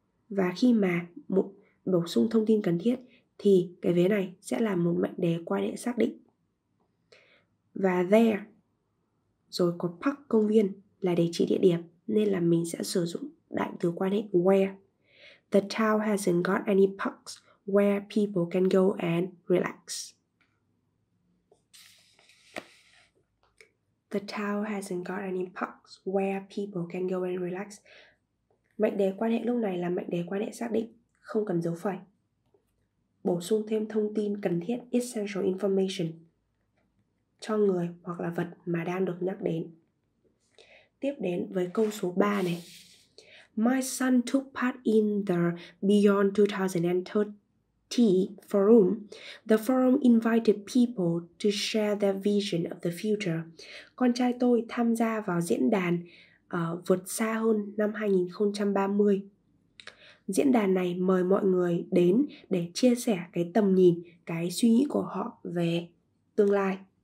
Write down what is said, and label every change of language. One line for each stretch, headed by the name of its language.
Vietnamese: Và khi mà bổ sung thông tin cần thiết thì cái vế này sẽ là một mệnh đề quan hệ xác định. Và there rồi có park công viên là để chỉ địa điểm, nên là mình sẽ sử dụng đại từ quan hệ where.
English: The town hasn't got any parks where people can go and relax. The town hasn't got any parks where people can go and relax.
Vietnamese: Mệnh đề quan hệ lúc này là mệnh đề quan hệ xác định, không cần dấu phẩy. Bổ sung thêm thông tin cần thiết,
English: essential information,
Vietnamese: cho người hoặc là vật mà đang được nhắc đến. Tiếp đến với câu số 3 này.
English: My son took part in the Beyond 2030 forum. The forum invited people to share their vision of the future.
Vietnamese: Con trai tôi tham gia vào diễn đàn vượt xa hơn năm 2030. Diễn đàn này mời mọi người đến để chia sẻ cái tầm nhìn, cái suy nghĩ của họ về tương lai.